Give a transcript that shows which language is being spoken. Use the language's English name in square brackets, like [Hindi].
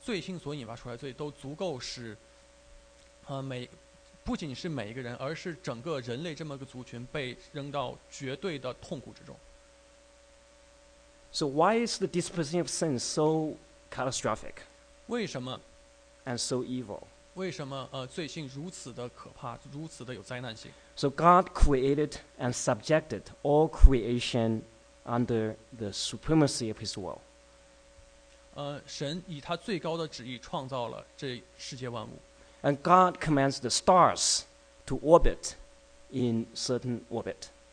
[Chinese] 所以任何一个从罪性所引发出来的罪都足够使, 不仅是每一个人, 而是整个人类这么个族群被扔到绝对的痛苦之中。 [English] So why is the disposition of sin so catastrophic? [Chinese] 为什么? [English] And so evil. [Chinese] 为什么, 罪性如此的可怕, 如此的有灾难性? [English] So God created and subjected all creation under the supremacy of his will. [Chinese] 神以他最高的旨意创造了这世界万物。 [English] And God commands the stars to orbit in certain orbit.